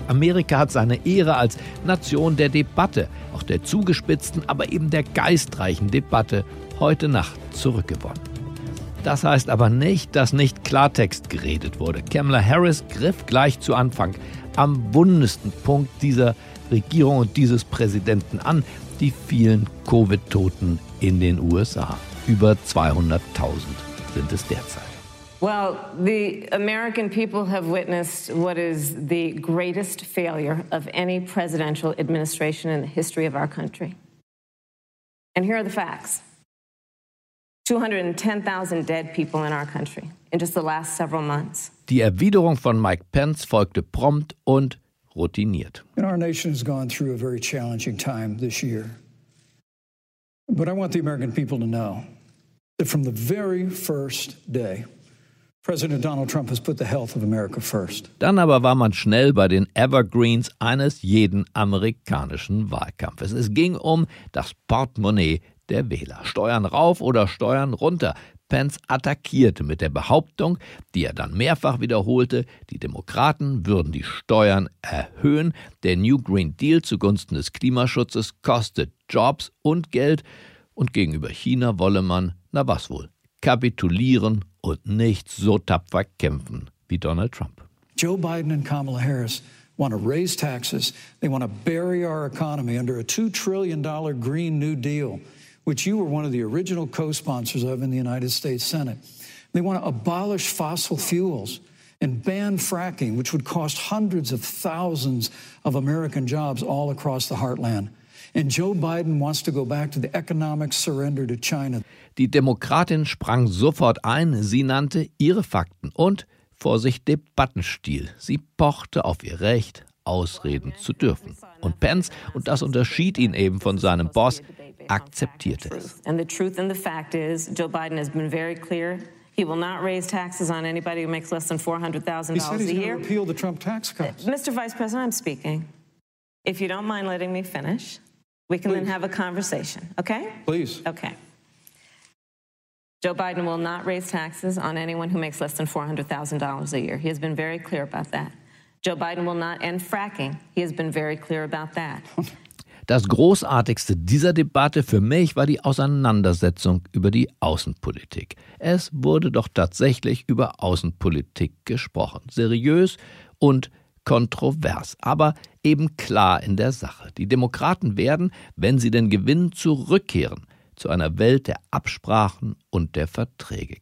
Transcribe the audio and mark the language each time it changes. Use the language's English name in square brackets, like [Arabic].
[German] Amerika hat seine Ehre als Nation der Debatte, auch der zugespitzten, aber eben der geistreichen Debatte, heute Nacht zurückgewonnen. Das heißt aber nicht, dass nicht Klartext geredet wurde. Kamala Harris griff gleich zu Anfang am wundesten Punkt dieser Regierung und dieses Präsidenten an, die vielen Covid-Toten in den USA. Über 200.000 sind es derzeit. [English] Well, the American people have witnessed what is the greatest failure of any presidential administration in the history of our country. And here are the facts. 210.000 dead people in our country in just the last several months. [German] Die Erwiderung von Mike Pence folgte prompt und routiniert. [English] And our nation has gone through a very challenging time this year. But I want the American people to know that from the very first day, President Donald Trump has put the health of America first. [German] Dann aber war man schnell bei den Evergreens eines jeden amerikanischen Wahlkampfes. Es ging um das Portemonnaie der Wähler. Steuern rauf oder Steuern runter. Pence attackierte mit der Behauptung, die er dann mehrfach wiederholte, die Demokraten würden die Steuern erhöhen. Der New Green Deal zugunsten des Klimaschutzes kostet Jobs und Geld. Und gegenüber China wolle man, na was wohl, kapitulieren und nicht so tapfer kämpfen wie Donald Trump. [English] Joe Biden und Kamala Harris want to raise taxes. They want to bury our economy under a $2 trillion Green New Deal, which you were one of the original co-sponsors of in the United States Senate. They want to abolish fossil fuels and ban fracking, which would cost hundreds of thousands of American jobs all across the heartland. And Joe Biden wants to go back to the economic surrender to China. [German] Die Demokratin sprang sofort ein, sie nannte ihre Fakten und Vorsicht Debattenstil. Sie pochte auf ihr Recht, Ausreden zu dürfen. Und Pence, und das unterschied ihn eben von seinem Boss, akzeptierte es. [English] And the truth and the fact is, Joe Biden has been very clear. He will not raise taxes on anybody who makes less than $400,000 a year. He said he's going to repeal the Trump tax cuts. Mr. Vice President, I'm speaking. If you don't mind letting me finish, we can then have a conversation, okay? Please. Okay. Joe Biden will not raise taxes on anyone who makes less than $400,000 a year. He has been very clear about that. Joe Biden will not end fracking. He has been very clear about that. [German] Das Großartigste dieser Debatte für mich war die Auseinandersetzung über die Außenpolitik. Es wurde doch tatsächlich über Außenpolitik gesprochen. Seriös und kontrovers, aber eben klar in der Sache. Die Demokraten werden, wenn sie denn gewinnen, zurückkehren zu einer Welt der Absprachen und der Verträge.